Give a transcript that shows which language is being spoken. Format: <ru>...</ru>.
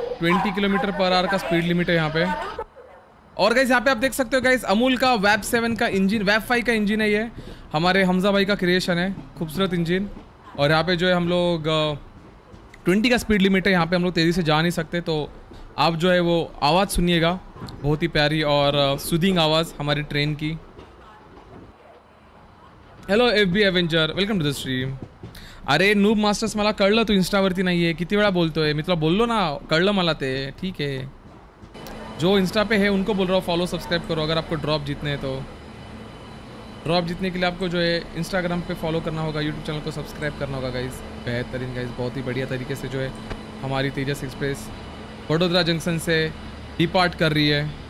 <hi>20 kilometre per hour का speed limit है यहाँ पे. और गाइस यहाँ पे आप देख सकते हो गाइस अमूल का वैब 7 का इंजन, वैब 5 का इंजन है ये, हमारे हमजा भाई का क्रिएशन है, खूबसूरत इंजन. और यहाँ पे जो है हम लोग 20 का स्पीड लिमिट है, यहाँ पे हम लोग तेज़ी से जा नहीं सकते, तो आप जो है वो आवाज़ सुनिएगा, बहुत ही प्यारी और सुदिंग आवाज़ हमारी ट्रेन की.</hi> <en>Hello FB avenger, welcome to the stream.</en> <mr>अरे नूब मास्टर्स मला कळलं तू इंस्टावरती नाही आहे, किती वेळा बोलतोय मी तुला, बोललो ना कळलं मला ते, ठीक आहे.</mr> <hi>जो इंस्टा पे है उनको बोल रहा हूँ फॉलो सब्सक्राइब करो, अगर आपको ड्रॉप जीतने हैं तो. ड्रॉप जीतने के लिए आपको जो है इंस्टाग्राम पे फॉलो करना होगा, यूट्यूब चैनल को सब्सक्राइब करना होगा गाइस. बेहतरीन गाइस, बहुत ही बढ़िया तरीके से जो है हमारी तेजस एक्सप्रेस वडोदरा जंक्शन से डिपार्ट कर रही है.</hi>